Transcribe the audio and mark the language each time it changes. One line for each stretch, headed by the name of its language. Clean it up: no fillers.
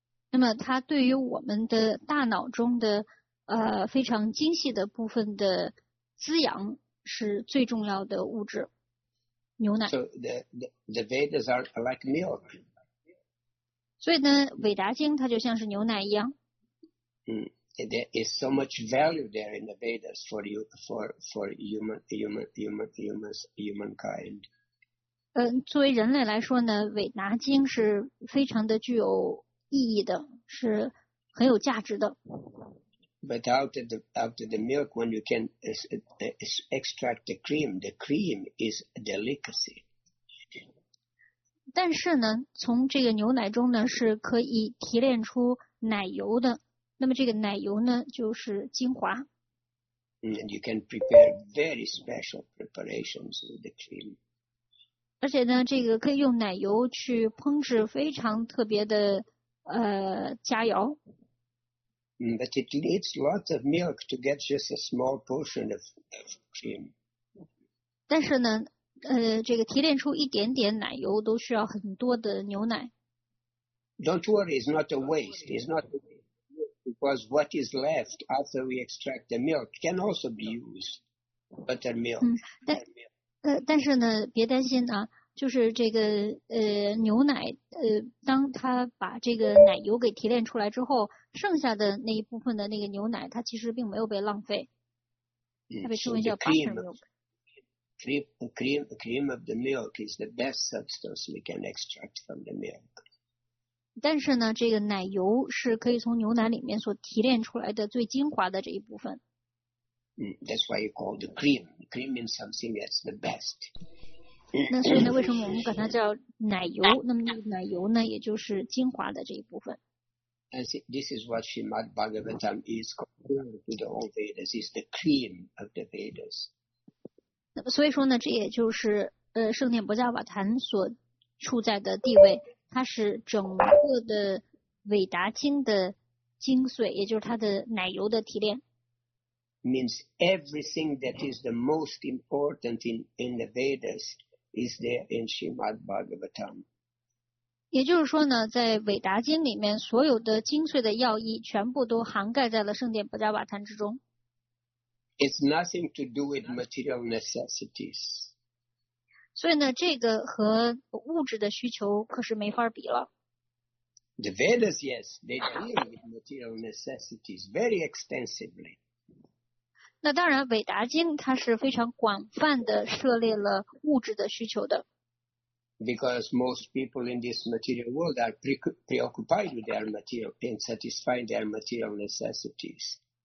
Chinese: 那么它对于我们的大脑中的非常精细的部分的滋养是最重要的物质，牛奶。
English: So the Vedas are like milk.
Chinese: 所以呢，韦达经它就像是牛奶一样。
English: There is so much value there in the Vedas for you, for humankind.
Chinese: 作为人类来说呢，《韦达经》是非常的具有意义的，是很有价值的。
English: But after the milk, when you can extract the cream is a delicacy.
Chinese: 但是呢，从这个牛奶中呢，是可以提炼出奶油的。那么这个奶油呢，就是精华。
English: And you can prepare very special preparations with the cream.
Chinese: 而且呢，这个可以用奶油去烹制非常特别的佳肴。
English: But it needs lots of milk to get just a small portion of cream.
Chinese: 但是呢，这个提炼出一点点奶油都需要很多的牛奶。
English: Don't worry, it's not a waste. It's not a waste. Because what is left after we extract the milk can also be used, butter milk.
Chinese: 但是呢，别担心啊，就是这个牛奶当它把这个奶油给提炼出来之后，剩下的那一部分的那个牛奶，它其实并没有被浪费，它被称为叫 butter milk.
English: Cream of the milk is the best substance we can extract from the milk.
Chinese: 但是呢，这个奶油是可以从牛奶里面所提炼出来的最精华的这一部分。
English: That's why you call the cream. Cream means something that's the best.
Chinese: 那所以呢，为什么我们管它叫奶油？那么那个奶油呢，也就是精华的这一部分。
English: And this is what Srimad Bhagavatam is called to the whole Vedas. It's the cream of the Vedas.
Chinese: 那么所以说呢，这也就是圣殿博迦瓦坛所处在的地位。它是整个的韦达经的精髓，也就是它的奶油的提炼。
English: Means everything that is the most important in the Vedas is there in Srimad Bhagavatam.
Chinese: 也就是说呢，在韦达经里面所有的精髓的要义全部都涵盖在了圣殿博迦瓦坛之中。
English: It's nothing to do with material necessities.
Chinese: 所以呢，这个和物质的需求可是没法比了。
English: The Vedas, yes, they deal with material necessities very extensively.
Chinese: 那当然，韦达经它是非常广泛的涉猎了物质的需求的。
English: Because most people in this material world are preoccupied with their material and satisfying their material necessities.